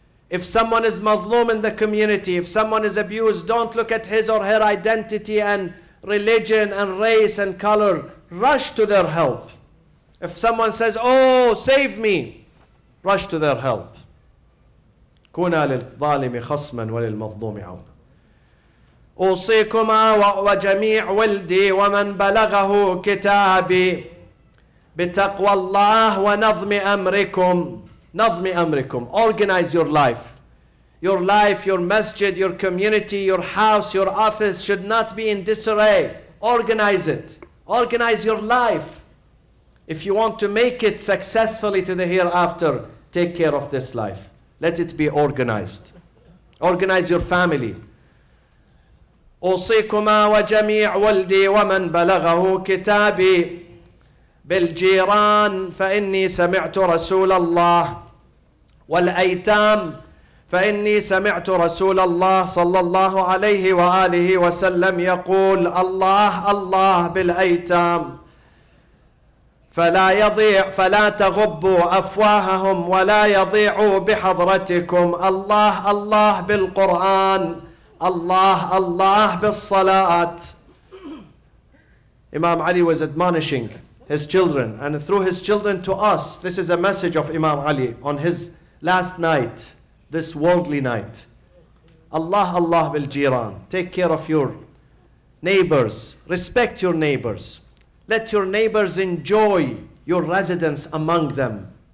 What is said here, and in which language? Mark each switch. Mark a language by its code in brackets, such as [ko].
[en] If someone is mazloom in the community, if someone is abused, don't look at his or her identity and religion and race and color. Rush to their help. If someone says, oh, save me, rush to their help. [ar] كُونَا لِلظَّالِمِ خَصْمًا وَلِلْمَظْلُومِ عَوْنًا. أوصيكما وجميع ولدي ومن بلغه كتابي بتقوى الله ونظم أمركم. نظم أمركم. [en] Organize your life. Your life, your masjid, your community, your house, your office should not be in disarray. Organize it. Organize your life. If you want to make it successfully to the hereafter, take care of this life. Let it be organized. Organize your family. [ar] أوصيكما وجميع ولدي ومن بلغه كتابي بالجيران فإني سمعت رسول الله والأيتام فإني سمعت رسول الله صلى الله عليه وآله وسلم يقول الله الله بالأيتام فلا يضيع فلا تغبوا أفواههم ولا يضيعوا بحضرتكم الله الله بالقرآن Allah, Allah, bis salat. [en] Imam Ali was admonishing his children, and through his children to us, this is a message of Imam Ali on his last night, this worldly night. [ar] Allah, Allah, bil jiran. [en] Take care of your neighbors. Respect your neighbors. Let your neighbors enjoy your residence among them.